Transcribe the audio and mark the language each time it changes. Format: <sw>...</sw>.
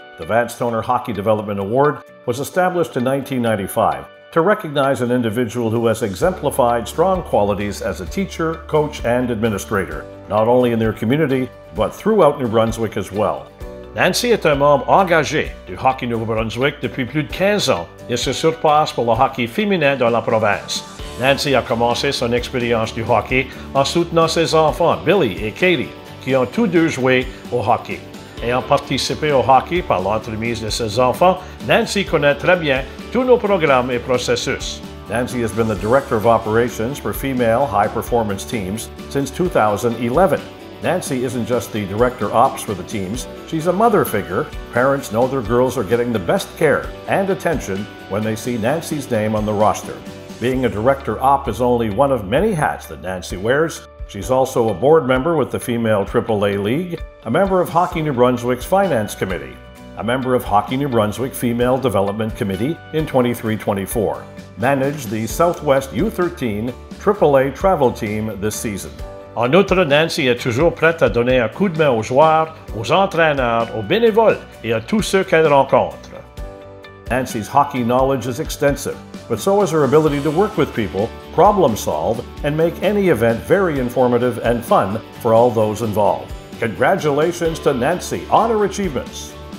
<en>The Vance Toner Hockey Development Award was established in 1995 to recognize an individual who has exemplified strong qualities as a teacher, coach, and administrator, not only in their community, but throughout New Brunswick as well.</en> <fr>Nancy est un membre engagé du Hockey Nouveau-Brunswick depuis plus de 15 ans et se surpasse pour le hockey féminin dans la province. Nancy a commencé son expérience du hockey en soutenant ses enfants, Billy et Katie, qui ont tous deux joué au hockey. Ayant participé au hockey par l'entremise de ses enfants, Nancy connaît très bien tous nos programmes et processus.</fr> <en>Nancy has been the Director of Operations for Female High Performance Teams since 2011. Nancy isn't just the director ops for the teams, she's a mother figure. Parents know their girls are getting the best care and attention when they see Nancy's name on the roster. Being a director op is only one of many hats that Nancy wears. She's also a board member with the Female AAA League, a member of Hockey New Brunswick's Finance Committee, a member of Hockey New Brunswick Female Development Committee in 23-24, managed the Southwest U13 AAA travel team this season.</en> <fr>En outre, Nancy est toujours prête à donner un coup de main aux joueurs, aux entraîneurs, aux bénévoles et à tous ceux qu'elle rencontre.</fr> <en>Nancy's hockey knowledge is extensive, but so is her ability to work with people, problem solve, and make any event very informative and fun for all those involved. Congratulations to Nancy. Honor achievements.</en>